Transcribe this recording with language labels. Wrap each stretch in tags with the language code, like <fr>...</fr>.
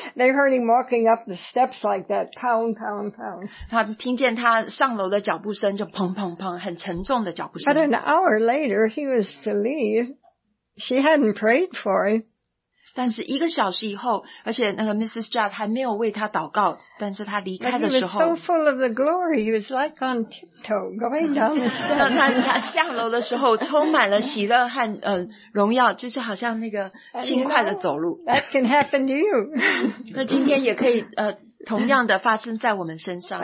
<en>They heard him walking up the steps like that, pound, pound, pound.</en> <zh>他听见他上楼的脚步声就砰砰砰，很沉重的脚步声。</zh> <en>But an hour later, he was to leave. She hadn't prayed for him.</en> <zh>但是一个小时以后，而且那个Mrs. Judd还没有为他祷告，但是他离开的时候，</zh> <en>he was so full of the glory, he was like on tiptoe going down the steps.</en> <zh>他下楼的时候充满了喜乐和荣耀，就是好像那个轻快的走路。</zh> <en>You know, that can happen to you.</en> <zh>那今天也可以同样的发生在我们身上。</zh>